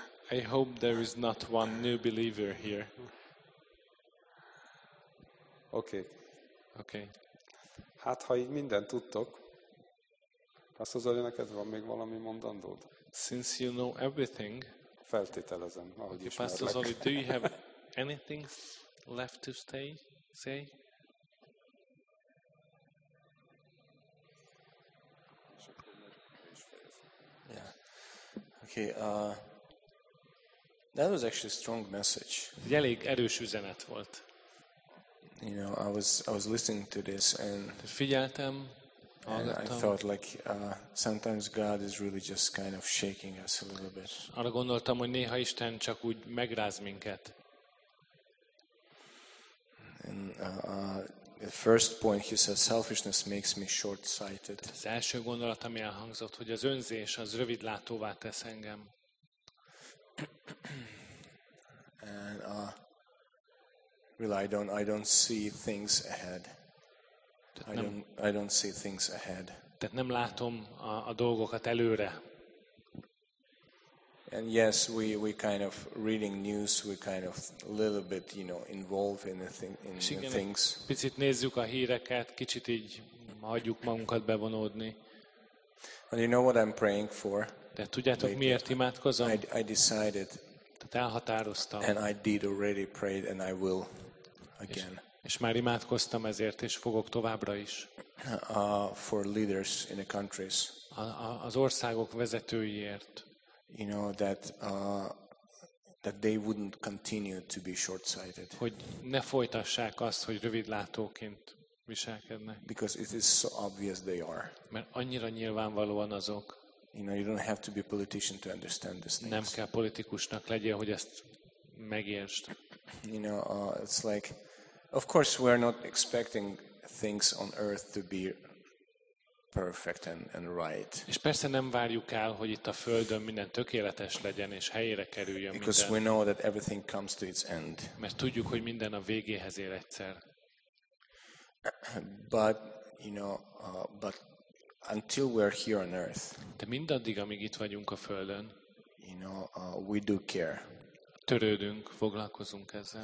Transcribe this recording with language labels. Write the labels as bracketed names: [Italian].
[English] I hope there is not one new believer here. Okay. Okay. [Hungarian] Hát, ha így mindent tudtok, azt hozzá, hogy neked van még valami mondandód? [English] Since you know everything, [Hungarian] feltételezem, ahogy ismerlek. [English] Pastor Zoli, do you have anything left to say? Yeah. Okay. That was actually a strong message. [Hungarian] Elég erős üzenet volt. [English] You know, I was listening to this and [Hungarian] figyeltem. [English] And I thought like sometimes God is really just kind of shaking us a little bit. [Hungarian] Arra gondoltam, hogy néha Isten csak úgy megráz minket. [English] And the first point he said selfishness makes me short-sighted. [Hungarian] Az első gondolat, ami elhangzott, hogy az önzés az rövidlátóvá tesz engem. [English] And really I don't see things ahead. I don't see things ahead. [Hungarian] Tehát nem látom a dolgokat előre. [English] And yes, we kind of reading news, we kind of a little bit, you know, involved in the thing, in [Hungarian] igen, [English] the things. [Hungarian] Picit nézzük a híreket, kicsit így hagyjuk magunkat bevonódni. [English] And you know what I'm praying for? [Hungarian] De tudjátok, miért imádkozom? [English] I decided. [Hungarian] Tehát elhatároztam. [English] And I did already prayed and I will again. [Hungarian] És már imádkoztam ezért, és fogok továbbra is. [English] For leaders in the countries. [Hungarian] Az országok vezetőiért. [English] You know that that they wouldn't continue to be short-sighted. [Hungarian] Hogy ne folytassák azt, hogy rövidlátóként viselkednek. [English] Because it is so obvious they are. [Hungarian] Mert annyira nyilvánvalóan azok. [English] You know, you don't have to be a politician to understand this thing. [Hungarian] Nem kell politikusnak legyél, hogy ezt megértsd. [English] You know, it's like, of course we're not expecting things on earth to be perfect and right. [Hungarian] És persze nem várjuk el, hogy itt a földön minden tökéletes legyen és helyére kerüljön minden. [English] Because we know that everything comes to its end. [Hungarian] Mert tudjuk, hogy minden a végéhez ér egyszer. [English] But you know, but until we're here on earth. [Hungarian] De mindaddig, amíg itt vagyunk a földön. [English] You know, we do care. [Hungarian] Törődünk, foglalkozunk ezzel.